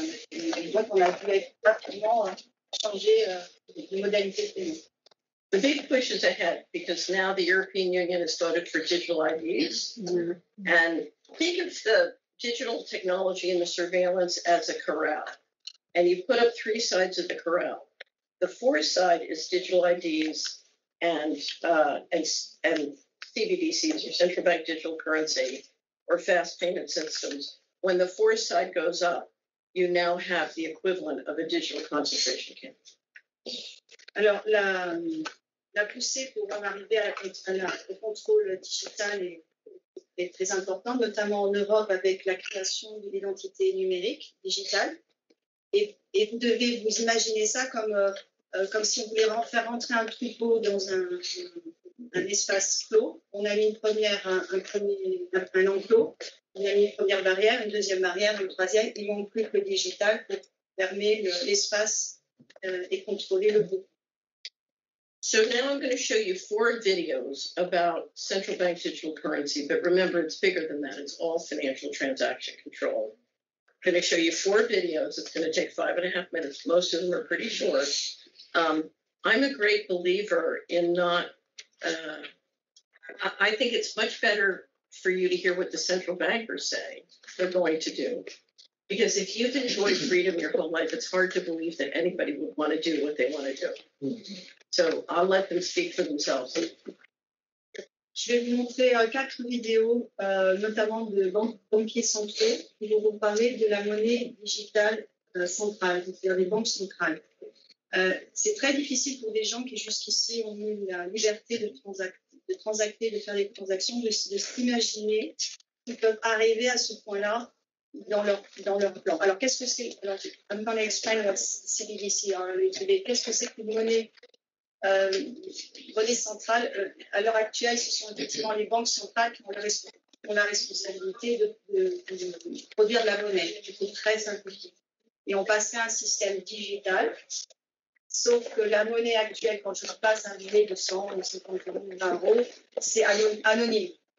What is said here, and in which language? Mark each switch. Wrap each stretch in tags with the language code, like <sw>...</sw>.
<fr>Et donc, on a dû rapidement changer les modalités de paiement.</fr> <en>The big push is ahead because now the European Union has voted for digital IDs. Mm-hmm. And think of the digital technology and the surveillance as a corral. And you put up 3 sides of the corral. The 4th side is digital IDs and CBDCs, or central bank digital currency, or fast payment systems. When the 4th side goes up, you now have the equivalent of a digital concentration camp.</en> <fr>Alors, la poussée pour en arriver au contrôle digital est très important, notamment en Europe avec la création d'une identité numérique, digitale. Et vous devez vous imaginer ça comme si on voulait faire rentrer un troupeau dans un espace clos. On a mis un enclos, on a mis une première barrière, une deuxième barrière, une troisième. Il manque plus que le digital pour fermer l'espace et contrôler le groupe.</fr> <en>So now I'm going to show you 4 videos about central bank digital currency, but remember it's bigger than that, it's all financial transaction control. I'm going to show you 4 videos, it's going to take 5.5 minutes, most of them are pretty short. I'm a great believer in I think it's much better for you to hear what the central bankers say they're going to do. Because if you've enjoyed freedom your whole life, it's hard to believe that anybody would want to do what they want to do. So I'll let them speak for themselves.</en> <fr>Je vais vous montrer 4 vidéos, notamment de banquiers centraux, qui vont vous parler de la monnaie digitale centrale, c'est-à-dire les banques centrales. C'est très difficile pour des gens qui jusqu'ici ont eu la liberté de transacter, de faire des transactions, de s'imaginer qu'ils peuvent arriver à ce point-là dans leur plan. Alors, qu'est-ce que c'est?</fr> <en>Alors, I'm going to explain what CBDC are today.</en> <fr>Qu'est-ce que c'est qu'une monnaie centrale? À l'heure actuelle, ce sont effectivement les banques centrales qui ont la responsabilité de produire de la monnaie. Du coup, très simplifié. Et on passe à un système digital. Sauf que la monnaie actuelle, quand je passe un billet de 100, 150, 20 euros, c'est anonyme.</fr>